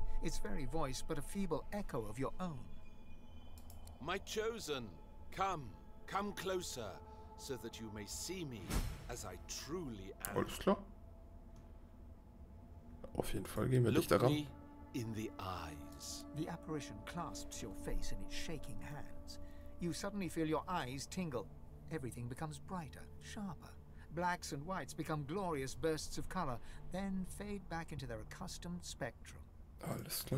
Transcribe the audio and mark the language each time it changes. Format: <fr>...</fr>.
<en>Its very voice, but a feeble echo of your own. My chosen, come closer, so that you may see me as I truly am.</en> <de>Alles klar. Auf jeden Fall gehen wir dich daran.</de> <en>Look me in the eyes. The apparition clasps your face in its shaking hands. You suddenly feel your eyes tingle. Everything becomes brighter, sharper. Blacks and whites become glorious bursts of color, then fade back into their accustomed spectrum.</en> <de>Alles klar.</de>